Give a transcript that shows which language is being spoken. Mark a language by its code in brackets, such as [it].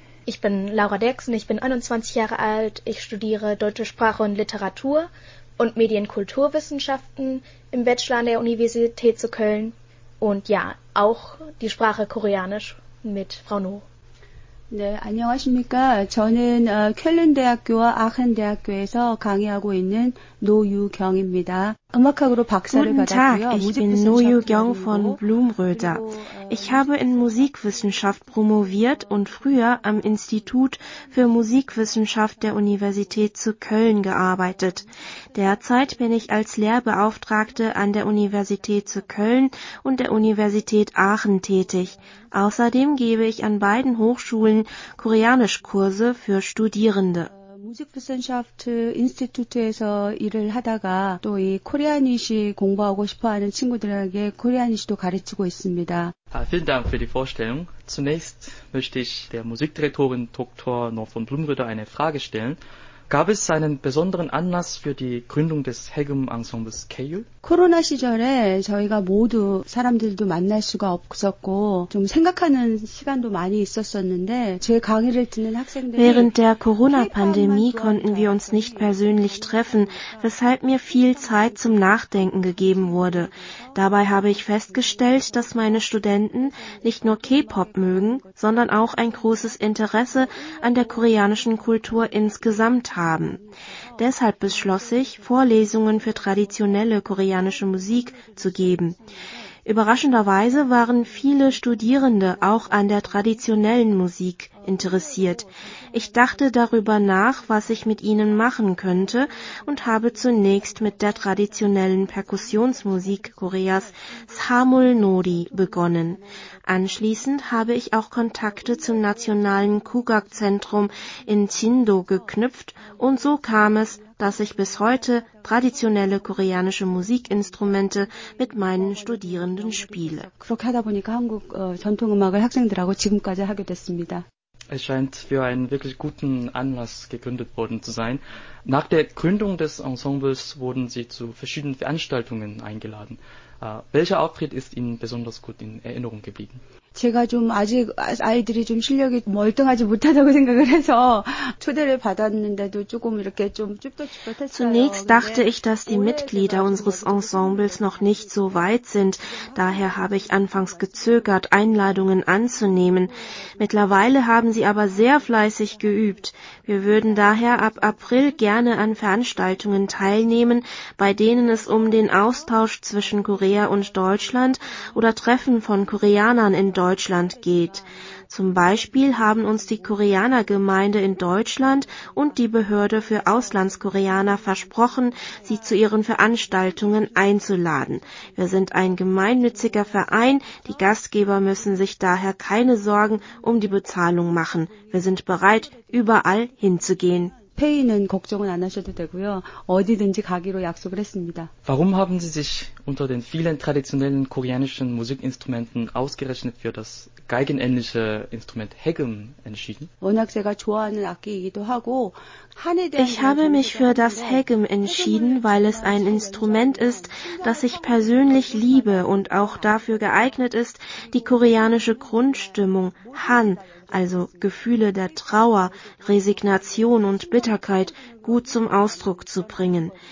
[de] Ich bin Laura Dex und ich bin 21 Jahre alt. Ich studiere deutsche Sprache und Literatur und Medienkulturwissenschaften im Bachelor an der Universität zu Köln. Und ja, auch die Sprache Koreanisch mit Frau No. [ko] 네, 안녕하십니까. 저는 켈른대학교와 아흔대학교에서 강의하고 있는 노유경입니다. 음악학으로 박사를 [de] Guten Tag, [ko] 받았고요. [de] Ich bin Noyugyeong von Blumenröder. Ich habe in Musikwissenschaft promoviert und früher am Institut für Musikwissenschaft der Universität zu Köln gearbeitet. Derzeit bin ich als Lehrbeauftragte an der Universität zu Köln und der Universität Aachen tätig. Außerdem gebe ich an beiden Hochschulen Koreanischkurse für Studierende. Musikwissenschaft Institute [ko] 에서 일을 하다가 또 이 코리아니시 공부하고 싶어하는 친구들에게 코리아니시도 가르치고 있습니다. [de] Vielen Dank für die Vorstellung. Zunächst möchte ich der Musikdirektorin Dr. No von Blumenröder eine Frage stellen. Gab es einen besonderen Anlass für die Gründung des Haegeum Ensembles Kaeul? [ko] 코로나 시절에 저희가 모두 사람들도 만날 수가 없었고 좀 생각하는 시간도 많이 있었었는데 제 강의를 듣는 학생들이 [de] Während der Corona Pandemie konnten wir uns nicht persönlich treffen, weshalb mir viel Zeit zum Nachdenken gegeben wurde. Dabei habe ich festgestellt, dass meine Studenten nicht nur K-Pop mögen, sondern auch ein großes Interesse an der koreanischen Kultur insgesamt haben. Deshalb beschloss ich, Vorlesungen für traditionelle koreanische Musik zu geben. Überraschenderweise waren viele Studierende auch an der traditionellen Musik interessiert. Ich dachte darüber nach, was ich mit ihnen machen könnte und habe zunächst mit der traditionellen Perkussionsmusik Koreas Samul Nori begonnen. Anschließend habe ich auch Kontakte zum Nationalen Gugak-Zentrum in Jindo geknüpft und so kam es, dass ich bis heute traditionelle koreanische Musikinstrumente mit meinen Studierenden spiele. [ko] 그렇게 하다 보니까 한국 전통 음악을 학생들하고 지금까지 하게 됐습니다. [de] Es scheint für einen wirklich guten Anlass gegründet worden zu sein. Nach der Gründung des Ensembles wurden Sie zu verschiedenen Veranstaltungen eingeladen. Welcher Auftritt ist Ihnen besonders gut in Erinnerung geblieben? [ko] 제가 좀 아직 아이들이 좀 실력이 멀뚱하지 못하다고 생각을 해서 초대를 받았는데도 조금 이렇게 좀 쭈뼛쭈뼛했어요. [de] Zunächst dachte ich, dass die Mitglieder unseres Ensembles noch nicht so weit sind. Daher habe ich anfangs gezögert, Einladungen anzunehmen. Mittlerweile haben sie aber sehr fleißig geübt. Wir würden daher ab April gerne an Veranstaltungen teilnehmen, bei denen es um den Austausch zwischen Korea und Deutschland oder Treffen von Koreanern in Deutschland geht. Zum Beispiel haben uns die Koreanergemeinde in Deutschland und die Behörde für Auslandskoreaner versprochen, sie zu ihren Veranstaltungen einzuladen. Wir sind ein gemeinnütziger Verein, die Gastgeber müssen sich daher keine Sorgen um die Bezahlung machen. Wir sind bereit, überall hinzugehen. [ko] Pay는 걱정은 안 하셔도 되고요. 어디든지 가기로 약속을 했습니다. [de] Warum haben Sie sich unter den vielen traditionellen koreanischen Musikinstrumenten ausgerechnet für das geigenähnliche Instrument Haegeum entschieden? [ko] 워낙 제가 좋아하는 악기이기도 하고 [de] Ich habe mich für das Haegeum entschieden, weil es ein Instrument ist, das ich persönlich liebe und auch dafür geeignet ist, die koreanische Grundstimmung Han, also Gefühle der Trauer, Resignation und Bitterkeit, gut zum Ausdruck zu bringen.